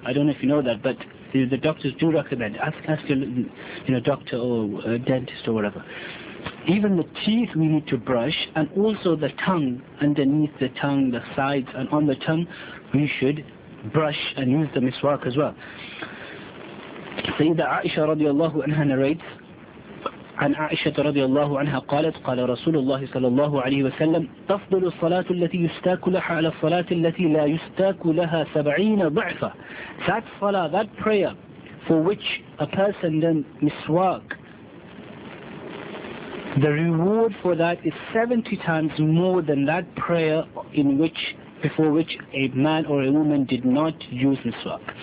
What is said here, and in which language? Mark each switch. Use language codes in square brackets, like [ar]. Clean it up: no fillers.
[en] I don't know if you know that, but the doctors do recommend. Ask your, you know, doctor or dentist or whatever. Even the teeth we need to brush, and also the tongue, underneath the tongue, the sides, and on the tongue, we should brush and use the miswak as well. [ar] Sayyidah Aisha radiallahu anha narrates, عن عائشة رضي الله عنها قالت قال رسول الله صلى الله عليه وسلم تفضل الصلاة التي يستاك لها على الصلاة التي لا يستاك لها 70 ضعفا. [en] That salah, that prayer for which a person then miswak, the reward for that is 70 times more than that prayer in which, before which a man or a woman did not use miswak.